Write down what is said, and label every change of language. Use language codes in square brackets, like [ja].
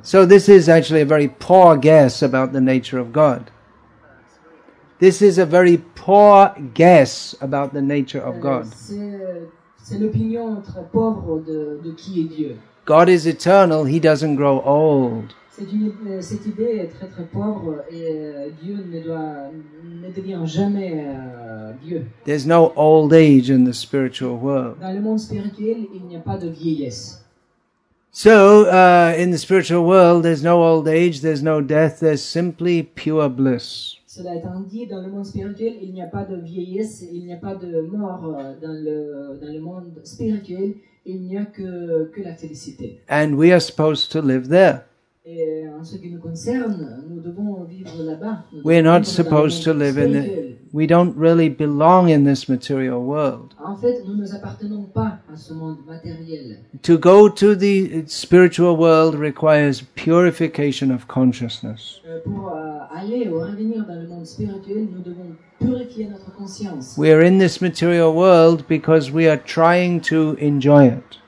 [en] So this is actually a very poor guess about the nature of God. This is a very poor guess about the nature of God. [fr] C'est l'opinion très pauvre de qui est Dieu. [en] God is eternal, he doesn't grow old. [fr] Cette idée est très très pauvre et Dieu ne devient jamais vieux. [en] There's no old age in the spiritual world. [fr] Dans le monde spirituel, il n'y a pas de vieillesse. [en] So, in the spiritual world, there's no old age, there's no death, there's simply pure bliss. [fr] Cela étant dit, dans le monde spirituel, il n'y a pas de vieillesse, il n'y a pas de mort dans le monde spirituel, il n'y a que la félicité. [en] And we are supposed to live there. [fr] Et en ce qui nous concerne, nous devons vivre là-bas. [en] We're not supposed to live in it. We don't really belong in this material world. [fr] En fait, nous ne nous appartenons pas à ce monde matériel. [en] To go to the spiritual world requires purification of consciousness. [fr] Pour aller ou revenir dans le monde spirituel, nous devons purifier notre conscience. [en] We are in this material world because we are trying to enjoy it.